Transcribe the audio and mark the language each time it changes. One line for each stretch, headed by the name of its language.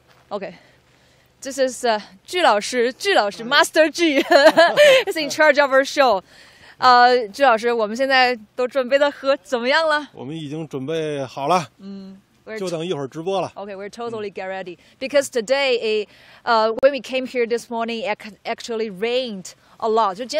English: Okay, this is Ji老师, Master Ji, is in charge of our show.
Chinese: 朱老师，我们现在都准备的怎么样了？我们已经准备好了。嗯。就等一会儿直播了。Okay,
English: we're totally get ready. Because today, when we came here this morning, it actually rained a lot.